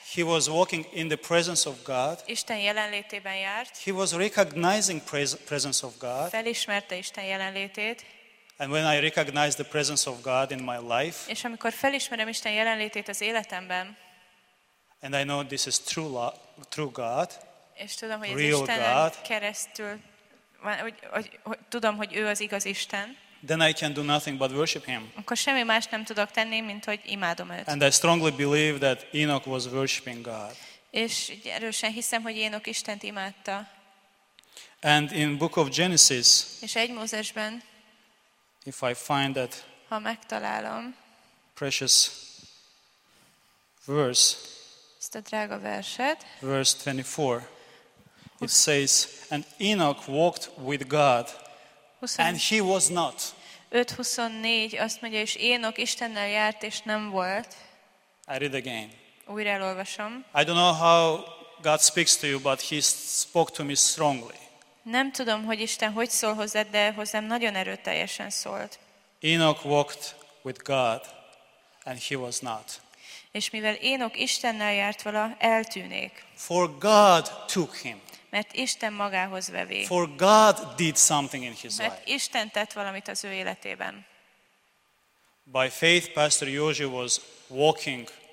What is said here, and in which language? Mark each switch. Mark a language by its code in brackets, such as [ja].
[en] He was walking in the presence of God. [hu] Isten jelenlétében járt. [en] He was recognizing presence of God. [hu] Felismerte Isten jelenlétét. [en] And when I recognize the presence of God in my life. [hu] És amikor felismerem Isten jelenlétét az életemben. [en] And I know this is true God. [hu] És tudom, hogy real Istenen God. Keresztül hogy tudom, hogy ő az igaz Isten. [en] Then I can do nothing but worship him. [hu] Akkor semmi más nem tudok tenni, mint hogy imádom őt. [en] And I strongly believe that Enoch was worshiping God. [hu] És erősen hiszem, hogy Enoch Istent imádta. [en] And in book of Genesis. [hu] És egy Mózesben. [en] If I find that. [hu] Ha megtalálom. [en] Precious verse. [hu] Ezt a drága verset. [en] Verse 24. It says, and Enoch walked with God. And he was not. [hu] 5:24 azt mondja, és Enoch Istennel járt, és nem volt. [en] I read again. [hu] Újra elolvasom. [en] I don't know how God speaks to you, but he spoke to me strongly. [hu] Nem tudom, hogy Isten hogy szól hozzád, de hozzám nagyon erőteljesen szólt. [en] Enoch walked with God, and he was not. [hu] És mivel Enoch Istennel járt vala, eltűnék. [en] For God took him. [hu] Mert Isten magához vevé. [en] For God did something in his life. [hu] Mert Isten tett valamit az ő életében. [en] By faith, Pastor Józsi was walking.